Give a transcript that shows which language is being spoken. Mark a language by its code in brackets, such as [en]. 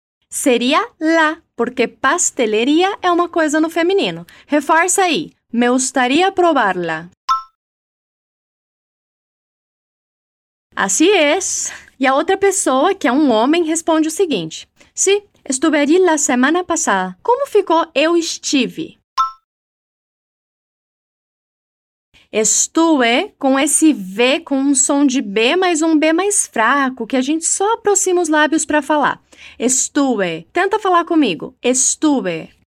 [pt] Seria la, porque pastelería é uma coisa no feminino. Reforça aí. [es] Me gustaría probarla. Así es. [pt] E a outra pessoa, que é um homem, responde o seguinte. [es] Sí, estuve allí la semana pasada. [pt] Como ficou eu estive? Estuve, com esse V, com um som de B, mas um B mais fraco, que a gente só aproxima os lábios para falar. Estuve. Tenta falar comigo. Estuve.